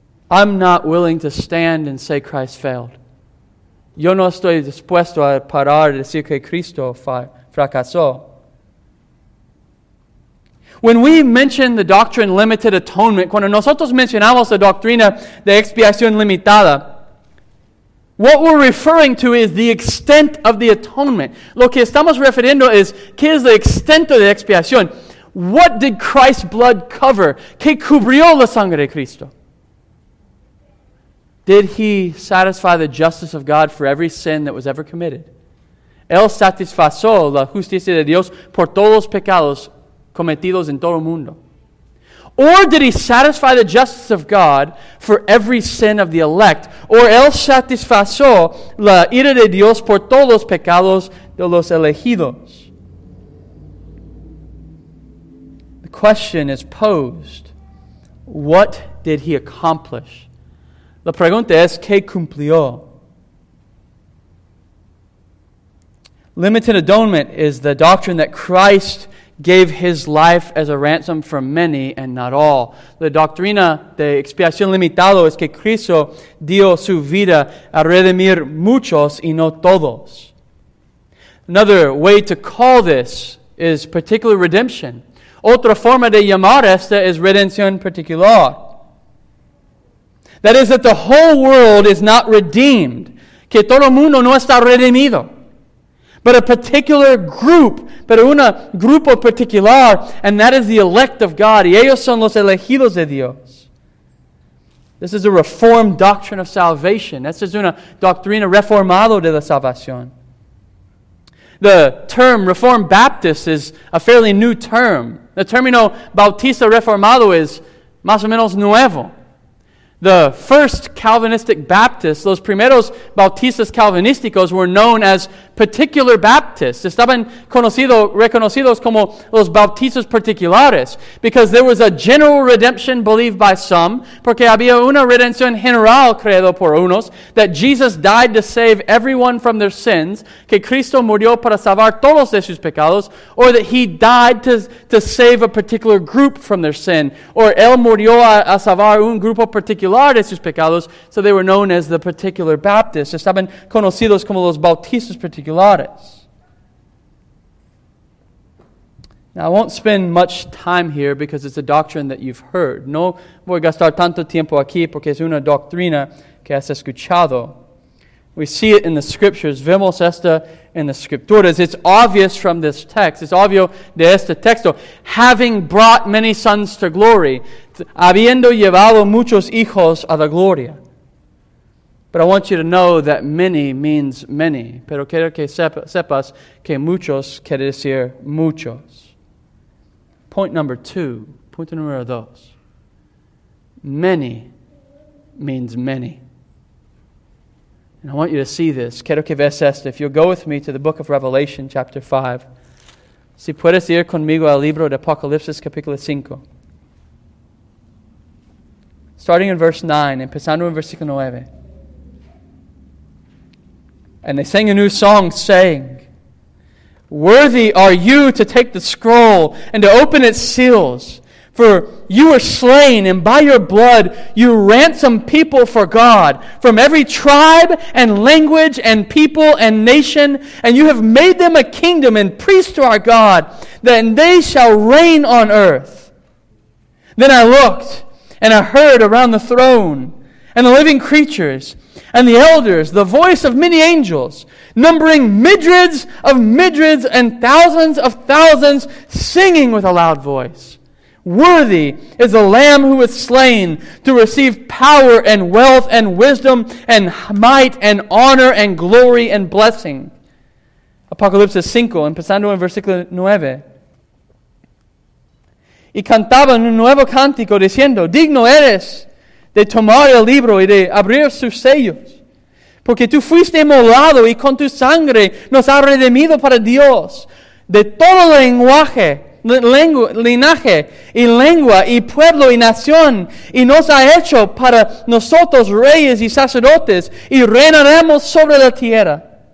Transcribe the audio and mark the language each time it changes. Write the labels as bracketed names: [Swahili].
[English] I'm not willing to stand and say Christ failed. [Spanish] Yo no estoy dispuesto a parar y decir que Cristo fracasó. [English] When we mention the doctrine limited atonement, [Spanish] cuando nosotros mencionamos la doctrina de expiación limitada, [English] what we're referring to is the extent of the atonement. [Spanish] Lo que estamos refiriendo es, ¿qué es la extent de la expiación? [English] What did Christ's blood cover? [Spanish] ¿Qué cubrió la sangre de Cristo? [English] Did He satisfy the justice of God for every sin that was ever committed? [Spanish] Él satisfizó la justicia de Dios por todos los pecados cometidos en todo el mundo. [English] Or did He satisfy the justice of God for every sin of the elect? [Spanish] Or Él satisfizó la ira de Dios por todos los pecados de los elegidos? [English] The question is posed, what did He accomplish? [Spanish] La pregunta es, ¿qué cumplió? [English] Limited atonement is the doctrine that Christ gave His life as a ransom for many and not all. [Spanish] La doctrina de expiación limitado es que Cristo dio su vida a redimir muchos y no todos. [English] Another way to call this is particular redemption. [Spanish] Otra forma de llamar esta es redención particular. [English] That is that the whole world is not redeemed. [Spanish] Que todo mundo no está redimido. [English] But a particular group, [Spanish] pero un grupo particular, and that is the elect of God. Y ellos son los elegidos de Dios. [English] This is a reformed doctrine of salvation. [Spanish] Esta es una doctrina reformada de la salvación. [English] The term Reformed Baptist is a fairly new term. [Spanish] The término Bautista Reformado is más o menos nuevo. [English] The first Calvinistic Baptists, [Spanish] los primeros bautistas calvinísticos, [English] were known as particular Baptists. [Spanish] Estaban reconocidos como los bautistas particulares. [English] Because there was a general redemption believed by some. [Spanish] Porque había una redención general creado por unos. [English] That Jesus died to save everyone from their sins. [Spanish] Que Cristo murió para salvar todos de sus pecados. [English] Or that He died to save a particular group from their sin. [Spanish] Or Él murió a salvar un grupo particular. De sus pecados, [English] so they were known as the particular Baptists. [Spanish] Estaban conocidos como los bautistas particulares. [English] Now, I won't spend much time here because it's a doctrine that you've heard. [Spanish] No voy a gastar tanto tiempo aquí porque es una doctrina que has escuchado. [English] We see it in the scriptures. [Spanish] Vemos esta en las escrituras. [English] It's obvious from this text. [Spanish] It's obvio de este texto. [English] Having brought many sons to glory, [Spanish] habiendo llevado muchos hijos a la gloria. [English] But I want you to know that many means many. [Spanish] Pero quiero que sepas que muchos quiere decir muchos. Punto número dos. [English] Many means many. And I want you to see this. [Spanish] Quiero que veas esto. [English] If you'll go with me to the book of Revelation, chapter 5. [Spanish] Si puedes ir conmigo al libro de Apocalipsis, capítulo 5. [English] Starting in verse 9, [Spanish] empezando en versículo 9. [English] And they sang a new song, saying, worthy are you to take the scroll and to open its seals. For you were slain, and by your blood you ransomed people for God from every tribe and language and people and nation. And you have made them a kingdom and priests to our God, that they shall reign on earth. Then I looked, and I heard around the throne and the living creatures and the elders the voice of many angels, numbering myriads of myriads and thousands of thousands, singing with a loud voice, worthy is the Lamb who was slain to receive power and wealth and wisdom and might and honor and glory and blessing. [Spanish] Apocalipsis 5, empezando en versículo 9. Y cantaban un nuevo cántico diciendo, digno eres de tomar el libro y de abrir sus sellos. Porque tú fuiste inmolado y con tu sangre nos has redimido para Dios de todo lenguaje, linaje y lengua y pueblo y nación, y nos ha hecho para nosotros reyes y sacerdotes, y reinaremos sobre la tierra.